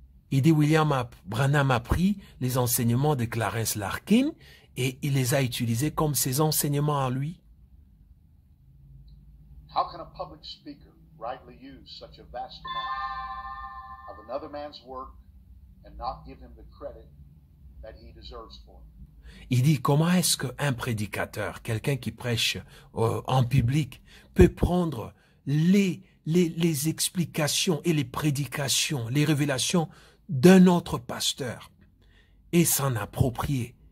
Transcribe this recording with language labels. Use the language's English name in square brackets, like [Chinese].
[French] Il dit, William Branham a pris les enseignements de Clarence Larkin et il les a utilisés comme ses enseignements à lui. [English] How can a public speaker rightly use such a vast amount of another man's work and not give him the credit that he deserves for. [French] Il dit, comment est-ce qu'un prédicateur, quelqu'un qui prêche en public, peut prendre les explications et les prédications, les révélations d'un autre pasteur et s'en approprier?